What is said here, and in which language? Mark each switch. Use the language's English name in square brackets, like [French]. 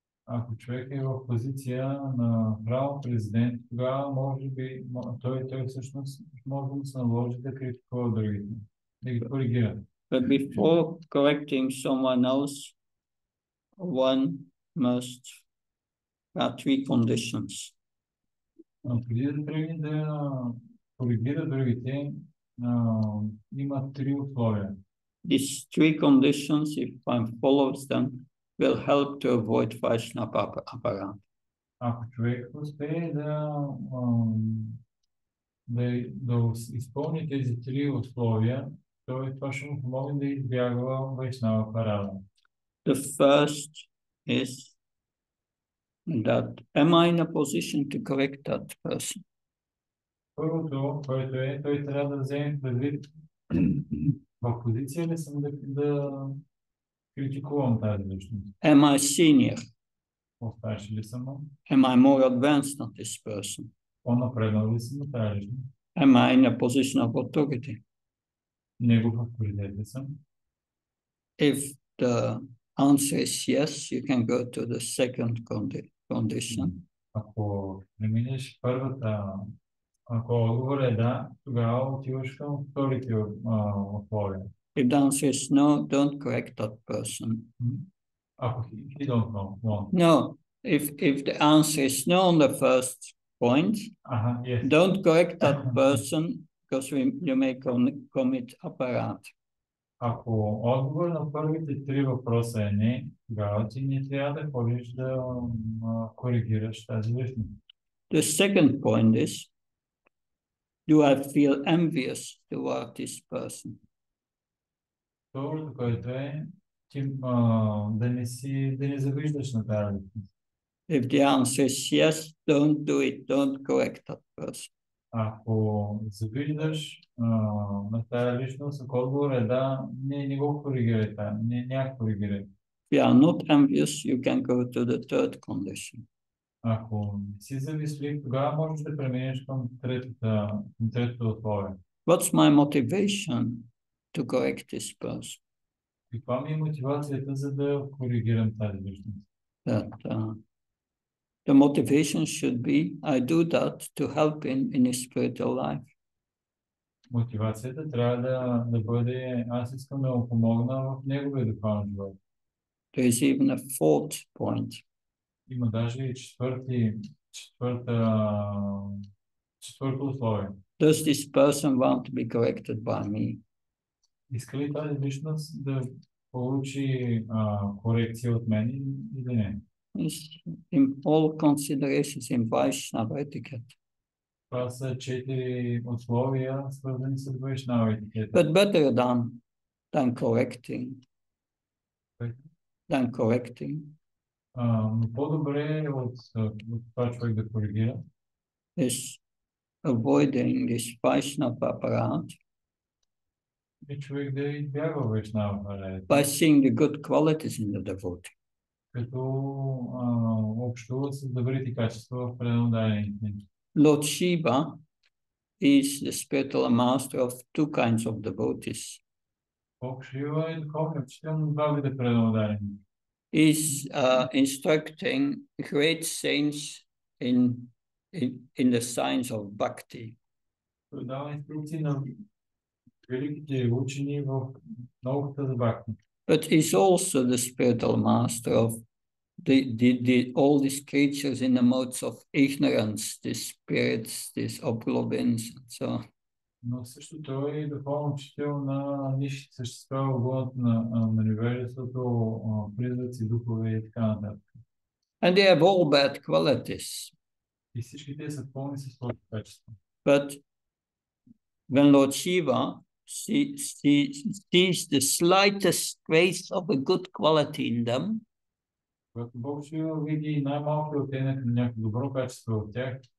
[Bulgarian] Ако човек е в позиция на право президент, тогава може би той всъщност може да се наложи да критикува другите, да ги коригира. [English] But before correcting someone else, one must have three conditions. [Bulgarian] Преди да тръгне да коригира другите, има три условия. [English] These three conditions, if one follows them, will help to avoid Vaisnava aparadha. [Bulgarian] Ако човек успее да изпълни тези три условия, това ще му помогне да избягва Vaisnava aparadha. [English] The first is that am I in a position to correct that person? [Bulgarian] Първото, което е, той трябва да вземе предвид в позиция ли съм да критикувам тази личност. [English] Am I senior? [Bulgarian] По-старши ли съм? [English] Am I more advanced than this person? [Bulgarian] По-напреднал ли съм тази личност? [English] Am I in a position of authority? [Bulgarian] Негов авторитет ли съм? [English] If the answer is yes, you can go to the second condition. [Bulgarian] Ако преминеш първата, ако отговор е да, тогава отиваш към вторите условия. [English] If the answer is no, don't correct that person. Okay, you don't know. No, if the answer is no on the first point, yes. Don't correct that person because you may commit aparadha. [Bulgarian] Ако отговор на първите три въпроса е не, тогава ти не трябва да ходиш да коригираш тази личност. [English] The second point is, do I feel envious toward this person? [Bulgarian] Второто, което е, ти да не завиждаш на тази личност. [English] If the answer is yes, don't do it, don't correct that person. [Bulgarian] Ако завиждаш на тази личност, ако отговор е да, не го коригирай там, няма коригирай. [English] If you are not envious, you can go to the third condition. [Bulgarian] Ако не си завислив, тогава можеш да преминеш към третото условие. [English] What's my motivation to correct this person? [Bulgarian] Каква ми е мотивацията, за да коригирам тази личност? [English] That, the motivation should be, I do that to help him in his spiritual life. [Bulgarian] Мотивацията трябва да бъде, аз искам да му помогна в неговия духовен живот. [English] There is even a fourth point. [Bulgarian] Има даже и четвърто условие. [English] Does this person want to be corrected by me? [Bulgarian] Иска ли тази личност да получи корекция от мен или не? [English] In all considerations in Vaishnava etiquette. [Bulgarian] Това са четири условия, свързани с Vaishnava etiquette. [English] But better than correcting. Than correcting. [Bulgarian] По-добре от това човек да коригира. [English] Is avoiding this Vaishnava aparadha. [Bulgarian] И човек да избягва Vaishnava aparadha. [English] By seeing the good qualities in the devotee. [Bulgarian] Като общуват с добрите качества в предназначение. [English] Lord Shiva is the spiritual master of two kinds of devotees. [Bulgarian] Бог Шива е духовният учител на два вида предназначение. [English] is instructing great saints in the science of bhakti. But he's also the spiritual master of the all these creatures in the modes of ignorance, these spirits, these oblobins, and so on. [Bulgarian] Но също той е духовен учител на нищите същества, вод на невежеството, призраци, духове и така нататък. [English] And they have all bad qualities. [Bulgarian] И всички те са пълни с лоши качества. [English] But when Lord Shiva sees the slightest trace of a good quality in them, [Bulgarian] когато Бог Шива види най-малкия оттенък на някакво добро качество от тях,